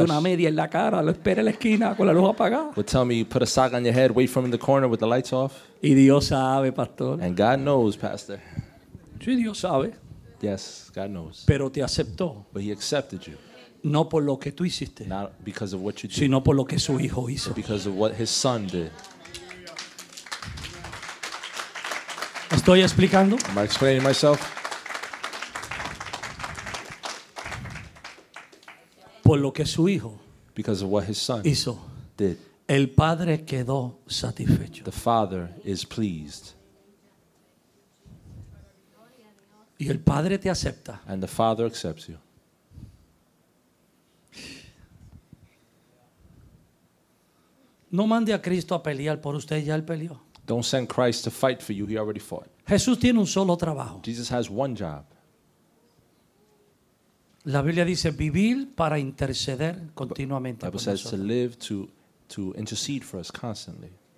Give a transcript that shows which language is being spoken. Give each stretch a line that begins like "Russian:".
Spanish: Ponte una media en la cara, lo espera en la esquina con la luz apagada.
English: Would tell me, put a sock on your head, wait for him in the corner with the lights off.
Spanish: Y Dios sabe, pastor.
English: And God knows, pastor.
Spanish: Sí, Dios sabe.
English: Yes, God knows.
Spanish: Pero te aceptó.
English: But he accepted you.
Spanish: No por lo que tú hiciste.
English: Not because of what you did.
Spanish: Sino por lo que su hijo hizo.
English: But because of what his son did.
Spanish: ¿Estoy explicando?
English: Am I explaining myself?
Spanish: Por lo que su hijo.
English: Because of what his son
Spanish: hizo.
English: Did.
Spanish: El padre quedó satisfecho.
English: The father is pleased.
Spanish: Y el padre te acepta.
English: And the father accepts you.
Spanish: No mande a Cristo a pelear por usted, ya él peleó.
English: Don't send Christ to fight for you, he already fought.
Spanish: Jesús tiene un solo trabajo.
English: Jesus has one job.
Spanish: La Biblia dice vivir para interceder continuamente.
English: The Bible says to live to intercede for us constantly.